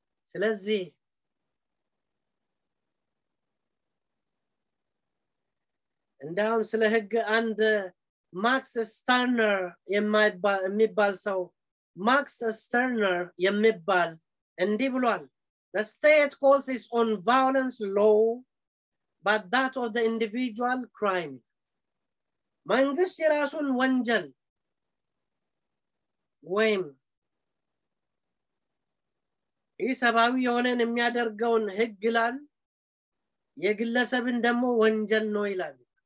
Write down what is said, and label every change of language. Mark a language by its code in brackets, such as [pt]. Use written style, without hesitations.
[am] ስለዚህ እንዳውም ስለ ህግ አንድ ማክስ ስተርነር የሚባል ሰው ማክስ ስተርነር የሚባል እንዲህ ብሏል. [en] The state calls its own violence law, but that of the individual crime. [am] መንግስት የራሱን ወንጀል ወይም ኢሰባዊ የሆነን የሚያደርገውን ህግ ይላል የግለሰብን ደግሞ ወንጀል ነው ይላል.